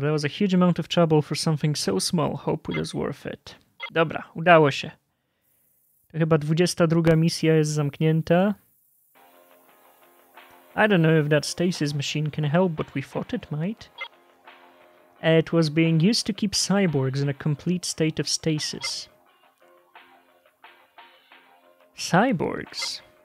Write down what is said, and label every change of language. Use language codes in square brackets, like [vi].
[en] That was a huge amount of trouble for something so small. Hope it is worth it. [pl] Dobra, udało się. To chyba 22 misja jest zamknięta. [en] I don't know if that stasis machine can help, but we thought it might. It was being used to keep cyborgs in a complete state of stasis. Cyborgs?